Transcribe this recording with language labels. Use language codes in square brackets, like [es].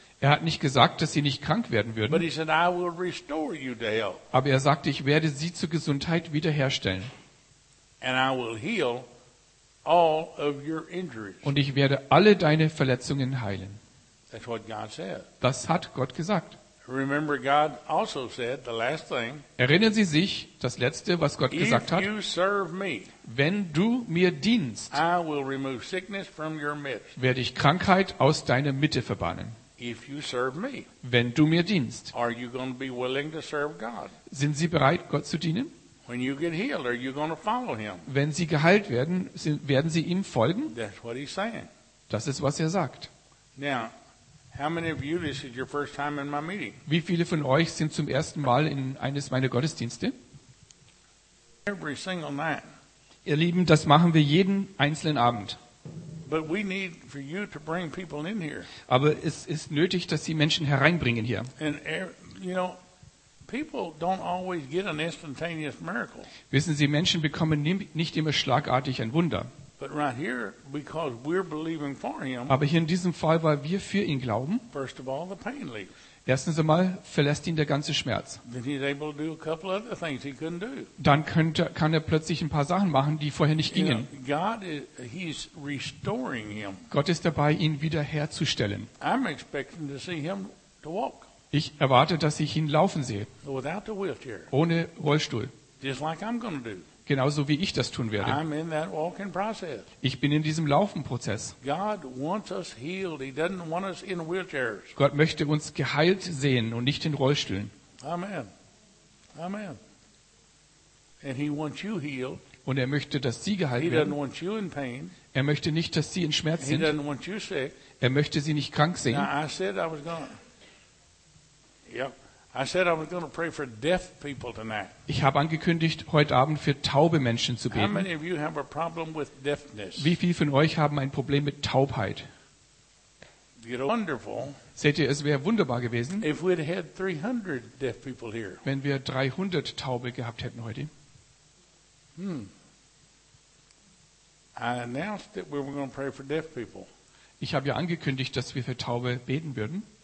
[de] Er hat nicht gesagt, dass Sie nicht krank werden würden. [en] But he said, I will restore you to health. [de] Aber er sagte, ich werde Sie zur Gesundheit wiederherstellen. [en] And I will heal all of your injuries. [de] Und ich werde alle deine Verletzungen heilen. [en] That's what God said. [de] Das hat Gott gesagt. [en] Remember, God also said the last thing. [de] Erinnern Sie sich das Letzte, was Gott gesagt hat. [en] If you serve me, [de] wenn du mir dienst, [en] I will remove sickness from your midst. [de] Werde ich Krankheit aus deiner Mitte verbannen. [en] If you serve me, [de] wenn du mir dienst, [en] are you going to be willing to serve God? [de] Sind Sie bereit, Gott zu dienen? [en] When you get healed, are you going to follow him? [de] Wenn Sie geheilt werden, werden Sie ihm folgen? [en] That's what he's saying. [de] Das ist, was er sagt. [en] Now, how many of you, this is your first time in my meeting? [de] Wie viele von euch sind zum ersten Mal in eines meiner Gottesdienste? [en] Every single night. [de] Ihr Lieben, das machen wir jeden einzelnen Abend. [en] But we need for you to bring people in here. [de] Aber es ist nötig, dass Sie Menschen hereinbringen hier. [en] And you know, people don't always get an instantaneous miracle. [de] Wissen Sie, Menschen bekommen nicht immer schlagartig ein Wunder. [en] But right here, because we're believing for him, [de] aber hier in diesem Fall, weil wir für ihn glauben, [en] first of all, the pain leaves. [de] Erstens einmal verlässt ihn der ganze Schmerz. [en] Then he's able to do a couple other things he couldn't do. [de] Dann kann er plötzlich ein paar Sachen machen, die vorher nicht gingen. [en] You know, God is, he's restoring him. [de] Gott ist dabei, ihn wiederherzustellen. [en] I'm expecting to see him to walk. [de] Ich erwarte, dass ich ihn laufen sehe. [en] Without the wheelchair. [de] Ohne Rollstuhl. [en] Just like I'm gonna do. [de] Genauso wie ich das tun werde. Ich bin in diesem Laufenprozess. Gott möchte uns geheilt sehen und nicht in Rollstühlen. [en] Amen. Amen. And he wants you healed. [de] Und er möchte, dass Sie geheilt werden. [en] He doesn't want you in pain. [de] Er möchte nicht, dass Sie in Schmerz sind. [en] He doesn't want you sick. [de] Er möchte Sie nicht krank sehen. [en] Now, I said I was gone. Yep. I said I was going to pray for deaf people tonight. [de] Ich habe angekündigt, heute Abend für taube Menschen zu beten. [en] How many of you have a problem with deafness? [de] Wie viele von euch haben ein Problem mit Taubheit? [en] Wonderful. [de] Seht ihr, es wäre wunderbar gewesen, [en] if we'd had 300 deaf people here. [de] Wenn wir 300 Taube gehabt hätten heute. [en] I announced that we were going to pray for deaf people. [de] Ich habe ja angekündigt, dass wir für Taube beten würden.